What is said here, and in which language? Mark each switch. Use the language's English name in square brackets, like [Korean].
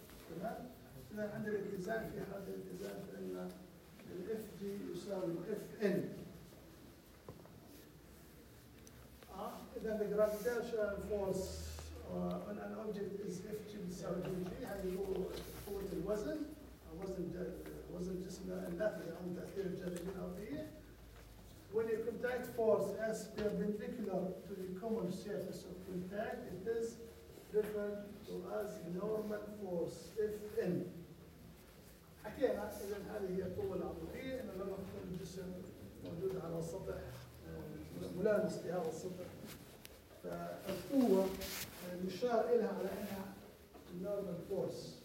[Arabic] تمام؟ إذا عند الاتزان في حالة الاتزان فإن الـ Fg يساوي Fn. إذا الـ [English] gravitational force on an object is [Arabic] Fg يساوي Fg هذه هو قوة الوزن أو وزن جسم الداخلي أو تأثير الجاذبية الأرضية. [English] When a contact force is perpendicular to the common surface of contact, it is referred to as normal force, Fn. [Arabic] حكينا إذن هذه هي القوة العمودية إن لما يكون الجسم موجود على السطح ملامس لهذا السطح فالقوة يشار إلها على أنها normal force.